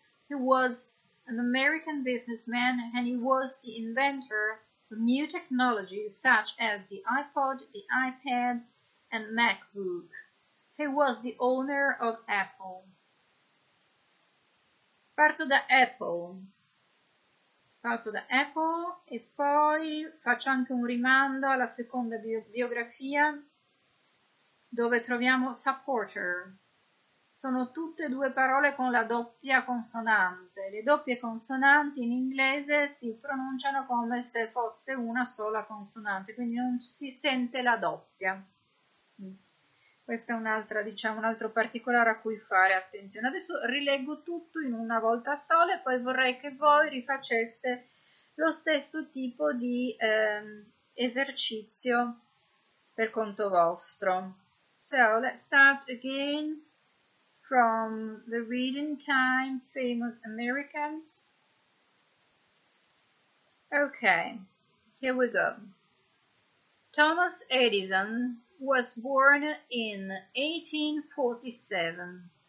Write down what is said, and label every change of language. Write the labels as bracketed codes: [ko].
[en] He was an American businessman and he was the inventor new technologies such as the iPod, the iPad, and MacBook. He was the owner of Apple. [it] Parto da Apple e poi faccio anche un rimando alla seconda biografia dove troviamo supporter. sono tutte e due parole con la doppia consonante. Le doppie consonanti in inglese si pronunciano come se fosse una sola consonante, quindi non si sente la doppia. Questa è un'altra, diciamo, un altro particolare a cui fare attenzione. Adesso rileggo tutto in una volta sola e poi vorrei che voi rifaceste lo stesso tipo di esercizio per conto vostro. [en] So, let's start again from the reading time, famous Americans. Okay, here we go. Thomas Edison was born in 1847.